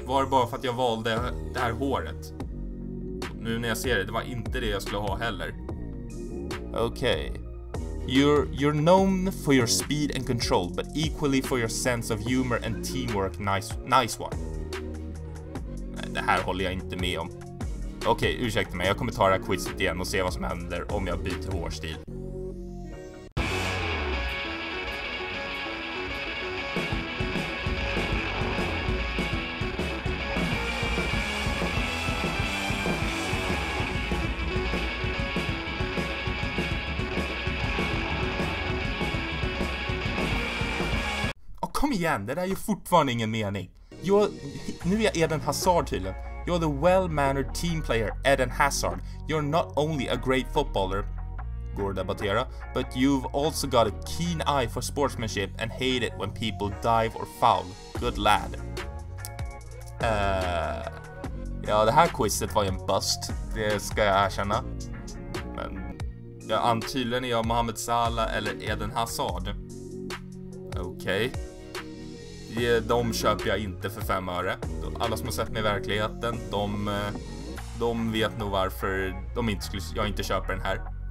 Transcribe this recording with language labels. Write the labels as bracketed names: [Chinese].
[Swedish] Var bara för att jag valde det här håret. Nu när jag ser det var inte det jag skulle ha heller. Okej. Okay. [English] You're known for your speed and control, but equally for your sense of humor and teamwork. Nice one. [Swedish] Nej, det här håller jag inte med om. Okej, okay, ursäkta mig. Jag kommer ta det här quizet igen och se vad som händer om jag byter hårstil. Igen, det där är ju fortfarande ingen mening. Nu är jag Eden Hazard tydligen. [English] You're the well-mannered team player Eden Hazard. You're not only a great footballer, [Swedish] går att debattera, [English] but you've also got a keen eye for sportsmanship and hate it when people dive or foul. Good lad. [Swedish] Ja, det här quizet var ju en bust. Det ska jag erkänna. Men ja, antydligen är jag Mohamed Salah eller Eden Hazard. Okej. De köper jag inte för 5 öre. Alla som har sett mig i verkligheten, de vet nog varför de inte skulle, jag inte köper den här.